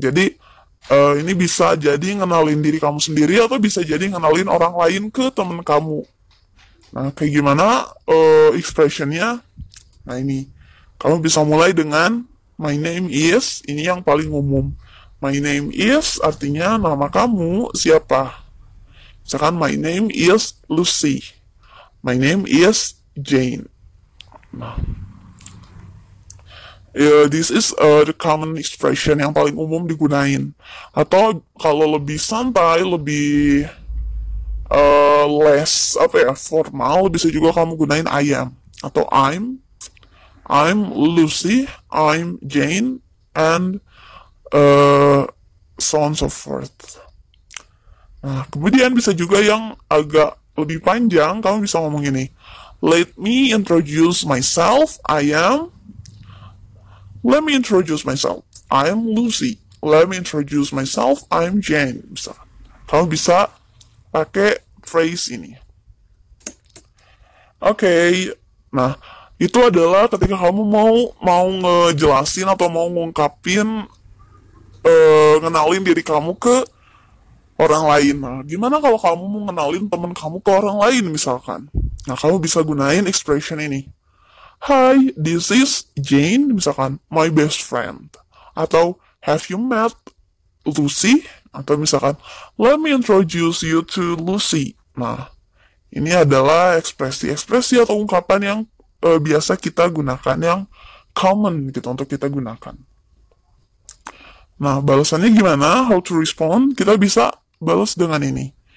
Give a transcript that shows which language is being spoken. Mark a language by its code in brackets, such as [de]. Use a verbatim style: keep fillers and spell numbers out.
[id] Jadi, eh, ini bisa jadi ngenalin diri kamu sendiri atau bisa jadi ngenalin orang lain ke temen kamu. Nah, kayak gimana eh, expressionnya? Nah, ini. Kamu bisa mulai dengan [en] my name is, [id] ini yang paling umum. [en] My name is [id] artinya nama kamu siapa. [en] Misalkan my name is Lucy. My name is Jane. Nah, ya, this is uh, the common expression [id] yang paling umum digunain. Atau kalau lebih santai, lebih uh, less apa ya formal, bisa juga kamu gunain [en] I am [id] atau I'm. [en] I'm Lucy, I'm Jane, and uh, so on so forth. [id] Nah, kemudian bisa juga yang agak lebih panjang, kamu bisa ngomong gini. [en] Let me introduce myself. I am... Let me introduce myself. I am Lucy. Let me introduce myself. I am Jane. Bisa. [id] Kamu bisa pakai phrase ini. Oke. Okay. Nah, itu adalah ketika kamu mau mau ngejelasin atau mau ngungkapin, eh, ngenalin diri kamu ke orang lain. Nah, gimana kalau kamu mau ngenalin teman kamu ke orang lain misalkan? Nah, kamu bisa gunain expression ini. [en] Hi, this is Jane, misalkan, my best friend. Atau, have you met Lucy? [id] Atau misalkan, [en] let me introduce you to Lucy. [id] Nah, ini adalah ekspresi-ekspresi atau ungkapan yang uh, biasa kita gunakan, yang common gitu untuk kita gunakan. Nah, balasannya gimana? [en] How to respond? [id] Kita bisa balas dengan ini.